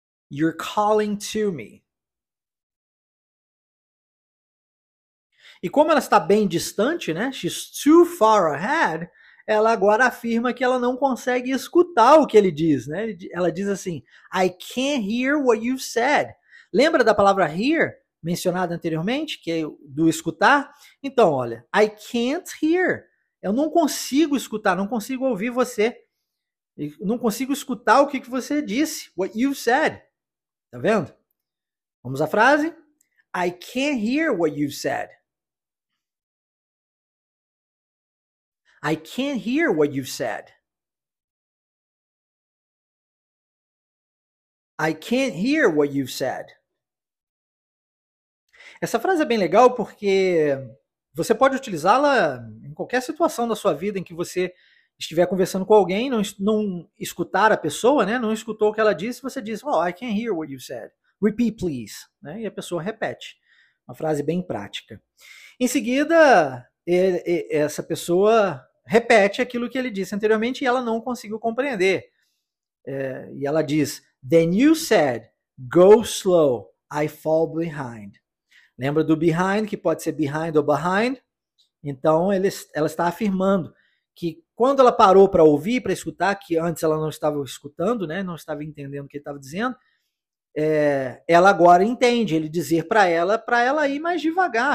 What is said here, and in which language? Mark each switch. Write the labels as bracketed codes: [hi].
[en] You're calling to me. [pt] E como ela está bem distante, né? [en] She's too far ahead. [pt] Ela agora afirma que ela não consegue escutar o que ele diz, né? Ela diz assim, [en] I can't hear what you've said. [pt] Lembra da palavra hear, mencionada anteriormente, que é do escutar? Então, olha, [en] I can't hear. [pt] Eu não consigo escutar, não consigo ouvir você. Eu não consigo escutar o que você disse, [en] what you've said. [pt] Tá vendo? Vamos à frase? [en] I can't hear what you've said. I can't hear what you've said. I can't hear what you've said. [pt] Essa frase é bem legal porque você pode utilizá-la em qualquer situação da sua vida em que você estiver conversando com alguém, não escutar a pessoa, né? Não escutou o que ela disse, você diz, oh, [en] I can't hear what you've said. Repeat, please. [pt] Né? E a pessoa repete. Uma frase bem prática. Em seguida, essa pessoa repete aquilo que ele disse anteriormente e ela não conseguiu compreender. E ela diz, [en] Then you said, go slow, I fall behind. [pt] Lembra do behind, que pode ser behind ou behind? Então, ela está afirmando que quando ela parou para ouvir, para escutar, que antes ela não estava escutando, né, não estava entendendo o que ele estava dizendo, ela agora entende ele dizer para ela ir mais devagar.